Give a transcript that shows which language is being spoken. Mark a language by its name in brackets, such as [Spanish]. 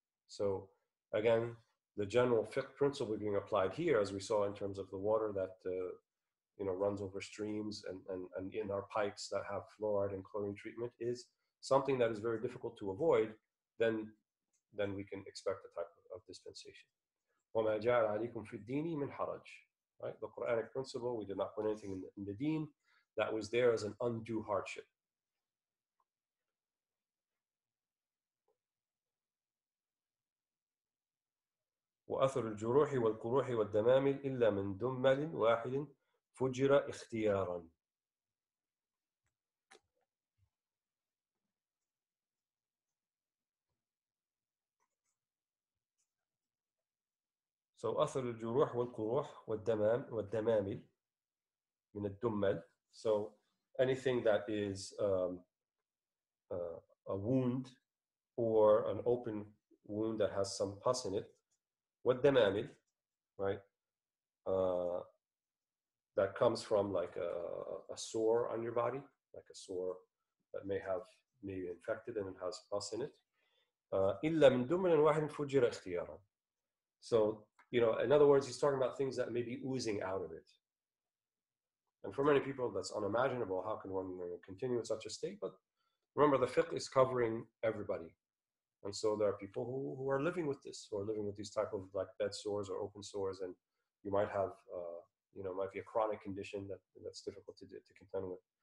[English] So again, the general fiqh principle being applied here, as we saw in terms of the water that you know, runs over streams and in our pipes that have fluoride and chlorine treatment, is something that is very difficult to avoid, then we can expect a type of dispensation. [Arabic] وَمَا جَعَلَ عَلَيْكُمْ فِي الدِّينِ مِنْ حَرَجٍ, right? [English] The Quranic principle, we did not put anything in the deen that was there as an undue hardship. [Arabic] وَأَثَرُ الْجُرُوحِ وَالْقُرُوحِ وَالْدَمَامِلِ إِلَّا مِنْ دُمَّلٍ وَاحِدٍ فُجِّرَ اِخْتِيَارًا. So أَثَرُ الْجُرُوحِ وَالْقُرُوحِ وَالْدَمَامِلِ مِنَ الدُّمَّلِ. [English] So anything that is a wound or an open wound that has some pus in it, والدمامل, right, that comes from like a sore on your body, like a sore that may have maybe infected and it has pus in it. [Arabic] إلا من دمل واحد فجر اختيارا. [English] So, you know, in other words, he's talking about things that may be oozing out of it. And for many people, that's unimaginable. How can one continue in such a state? But remember, the fiqh is covering everybody. And so there are people who are living with this, who are living with these type of like bed sores or open sores, and you might have, you know, might be a chronic condition that's difficult to contend with.